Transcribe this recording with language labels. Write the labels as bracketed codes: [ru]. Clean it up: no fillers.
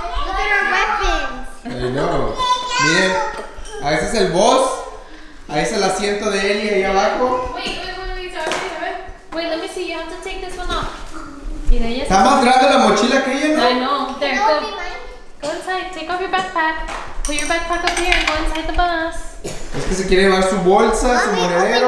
[en] Look at our weapons. [es] No. Miren, ahí es el bus. Ahí es el asiento de Eli ahí abajo. [en] Wait, let me see. You have to take this one off. [es] Mira, ella está más grande la mochila que ella, ¿no? [en] I know. There, go. Go inside. Take off your backpack. Put your backpack up here and go inside the bus. [es] Es que se quiere llevar su bolsa, su monedero.